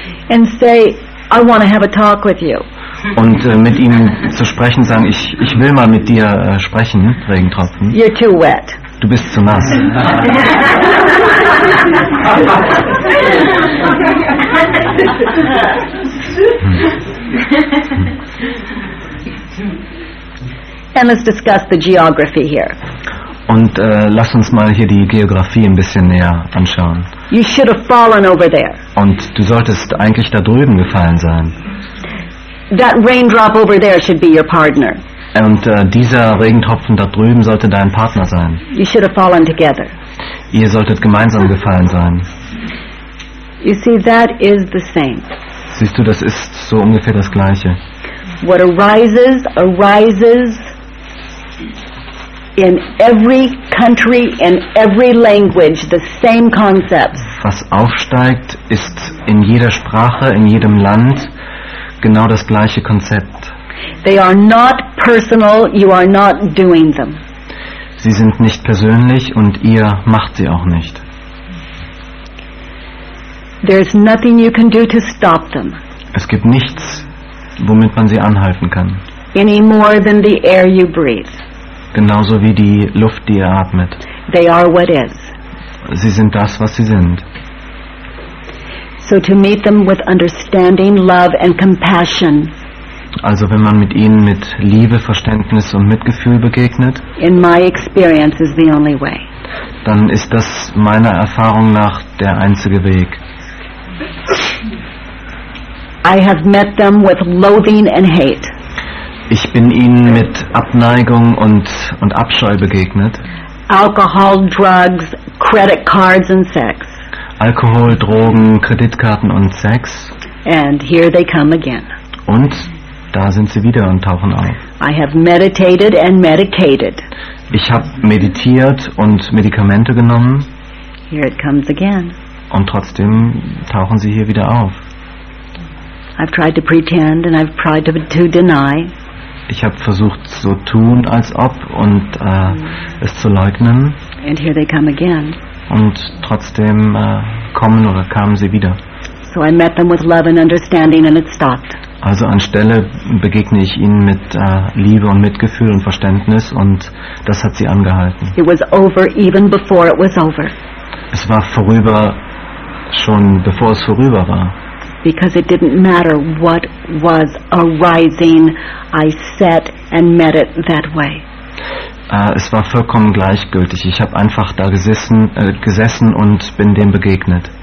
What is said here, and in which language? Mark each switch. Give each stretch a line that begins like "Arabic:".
English: And say, I want to have a talk with you.
German: Und mit ihm zu sprechen, sagen, ich will mal mit dir sprechen, Regentropfen.
English: You're too wet.
German: Du bist zu nass.
English: And let's discuss the geography here.
German: Und lass uns mal hier die Geografie ein bisschen näher anschauen.
English: You should have fallen over there.
German: Und du solltest eigentlich da drüben gefallen sein.
English: That raindrop over there should be your partner.
German: Und dieser Regentropfen da drüben sollte dein Partner sein.
English: You should have fallen together.
German: Ihr solltet gemeinsam gefallen sein.
English: You see, that is the same.
German: Siehst du, das ist so ungefähr das Gleiche.
English: What arises, arises in every country, in every language, the same concepts.
German: Was aufsteigt, ist in jeder Sprache, in jedem Land genau das gleiche Konzept.
English: They are not personal, you are not doing them.
German: Sie sind nicht persönlich und ihr macht sie auch nicht.
English: There's nothing you can do to stop them.
German: Es gibt nichts, womit man sie anhalten kann.
English: Any more than the air you breathe.
German: Genauso wie die Luft, die ihr atmet.
English: They are what is.
German: Sie sind das, was sie sind.
English: So to meet them with understanding, love and compassion.
German: Also wenn man mit ihnen mit Liebe, Verständnis und Mitgefühl begegnet,
English: in my experience is the only way.
German: Dann ist das meiner Erfahrung nach der einzige Weg.
English: I have met them with loathing and hate.
German: Ich bin ihnen mit Abneigung und Abscheu begegnet.
English: Alcohol, drugs, credit cards and sex.
German: Alkohol, Drogen, Kreditkarten und Sex.
English: And here they come again.
German: Und da sind sie wieder und tauchen auf.
English: I have meditated and medicated.
German: Ich habe meditiert und Medikamente genommen.
English: Here it comes again.
German: Und trotzdem tauchen sie hier wieder auf.
English: I've tried to pretend and I've tried to deny.
German: Ich habe versucht, so tun, als ob, und es zu leugnen.
English: And here they come again.
German: Und trotzdem kommen oder kamen sie wieder.
English: So I met them with love and understanding and it stopped.
German: Also anstelle begegne ich ihnen mit Liebe und Mitgefühl und Verständnis und das hat sie angehalten.
English: It was over even before it was over.
German: Es war vorüber, schon bevor es vorüber war.
English: Because it didn't matter what was arising, I sat and met it that way.
German: Es war vollkommen gleichgültig. Ich habe einfach da gesessen und bin dem begegnet.